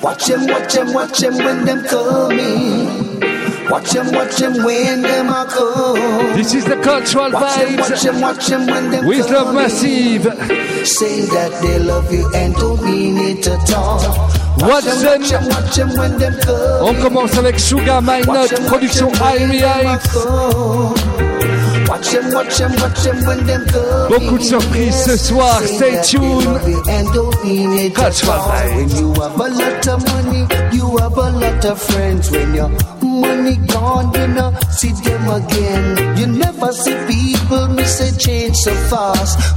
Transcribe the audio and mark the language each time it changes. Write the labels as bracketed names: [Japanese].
[English] Watch them, watch them, watch them when them coming. Watch them, watch them when them are come. This is the cultural vibes. Watch them, watch them when them with love massive. Say that they love you and don't mean it at all. Watch them, watch them when them coming. [French] On commence avec Sugar My Nut, production IRI. [English] Watch them, watch them, watch them when them come. [French] Beaucoup de surprises ce soir, [English] stay tuned. Catch my mind. When you have a lot of money, you have a lot of friends. When your money gone, you know, see them again. You never see people miss a change so fast.